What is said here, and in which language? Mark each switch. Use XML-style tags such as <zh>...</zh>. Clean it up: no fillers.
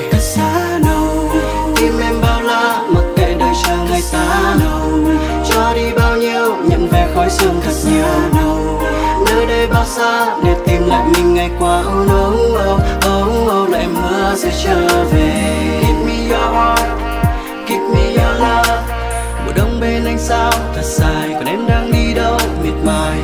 <vi>Cả xa đâu, tim em bao la, mặc kệ đời chờ người ta đâu. Cho đi bao nhiêu, nhận về khói sương thật nhiều đâu. Nơi đây bao xa, để tìm lại mình ngày qua. Oh oh oh oh oh, lại mưa sẽ trở về.</vi> <en>Give me your heart, give me your love.</en> <vi>Mùa đông bên anh sao thật dài, còn em đang đi đâu miệt mài.</vi>